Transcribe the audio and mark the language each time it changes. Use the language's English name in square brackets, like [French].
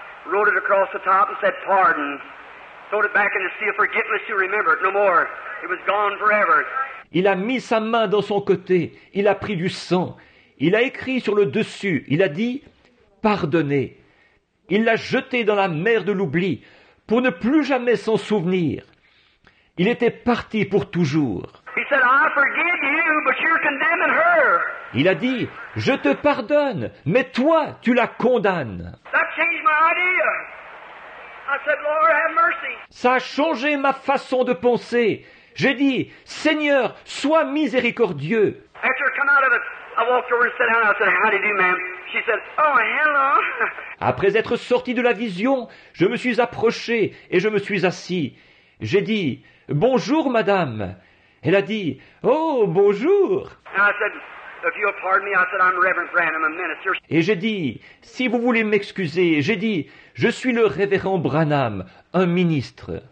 [English] wrote it across the top and said, pardon. Throw it back in the sea of forgiveness, you remember it no more. It was gone forever. [French] Il a mis sa main dans son côté. Il a pris du sang. Il a écrit sur le dessus. Il a dit, pardonnez. Il l'a jeté dans la mer de l'oubli pour ne plus jamais s'en souvenir. Il était parti pour toujours. [English] He said, I forgive you, but you're condemning her. [French] Il a dit, je te pardonne, mais toi, tu la condamnes. [English] That changed my idea. I said, Lord, have mercy. [French] Ça a changé ma façon de penser. J'ai dit, Seigneur, sois miséricordieux. [English] After I come out of it, I walked over and sat down. I said, how do you do, ma'am? She said, oh, hello. [French] Après être sorti de la vision, je me suis approché et je me suis assis. J'ai dit, bonjour, madame. Elle a dit, oh, bonjour. [English] And I said, if you'll pardon me, I said, I'm Reverend Branham, a minister. [French] Et j'ai dit, si vous voulez m'excuser, j'ai dit, je suis le révérend Branham, un ministre.